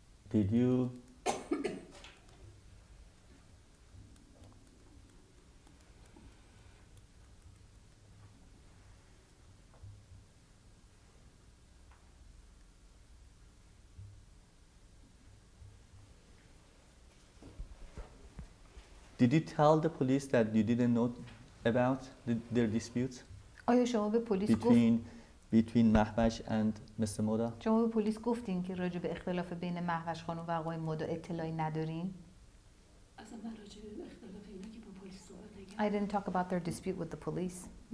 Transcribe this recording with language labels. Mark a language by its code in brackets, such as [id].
[en] Did you Did you tell the police that you didn't know about their disputes? [fa] آیا شما به پلیس گفتین [en] between Mahvash and Mr. Moda? [fa] شما به پلیس گفتین که راجع به اختلاف بین مهوش خانم و آقای مودا اطلاعی ندارین؟ اصلا من راجع به اختلاف اینا که با پلیس صحبت نکردم. [en] I didn't talk about their dispute with the police.